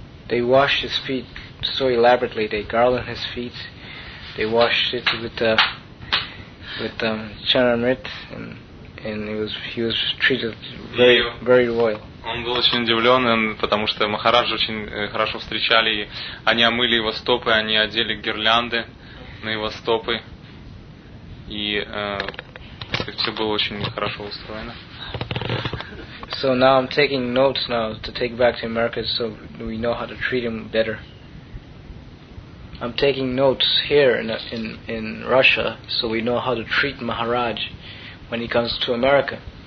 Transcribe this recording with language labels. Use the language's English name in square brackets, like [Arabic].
[English] They washed his feet so elaborately. They garland his feet. They washed it with the with Charamrit, and and he was treated very royal. [Russian] Он был очень удивлен, потому что Махараджи очень хорошо встречали, и они омыли его стопы, они одели гирлянды на его стопы, и все было очень хорошо устроено. [English] So now I'm taking notes now to take back to America so we know how to treat him better. I'm taking notes here in Russia so we know how to treat Maharaj when he comes to America.